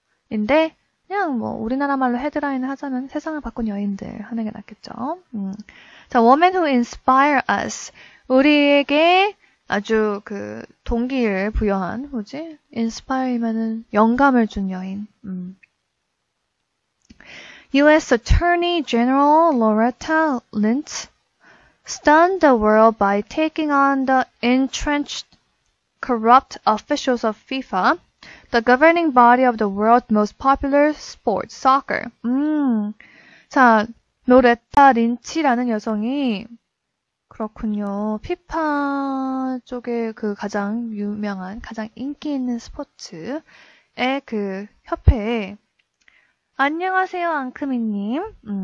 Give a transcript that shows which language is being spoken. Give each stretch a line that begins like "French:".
Korean: 인데, 그냥 뭐, 우리나라 말로 헤드라인을 하자면 세상을 바꾼 여인들 하는 게 낫겠죠.
English: 자, women who inspire us.
Korean: 우리에게 아주 그 동기를 부여한, 뭐지? inspire이면은 영감을 준 여인.
English: US Attorney General Loretta Lynch stunned the world by taking on the entrenched corrupt officials of FIFA, the governing body of the world's most popular sport, soccer.
Korean: 자, 로레타 린치라는 여성이, 그렇군요, 피파 쪽에 그 가장 유명한, 가장 인기 있는 스포츠의 그 협회에, 안녕하세요, 앙크미님.